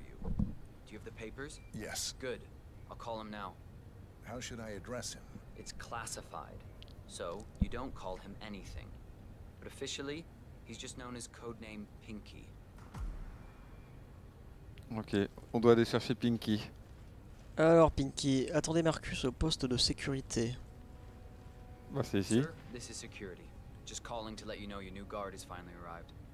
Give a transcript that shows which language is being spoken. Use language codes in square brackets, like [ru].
[en] you. Do you have the papers? Yes. Good. I'll call him now. How should I address him? It's classified, so you don't call him anything. But officially, he's just known as codename Pinky. [fr] Ok, on doit aller chercher Pinky. Alors Pinky, attendez Marcus au poste de sécurité. Bah c'est ici. [en] Sir, this is security. Just calling to let you know your new guard has finally arrived.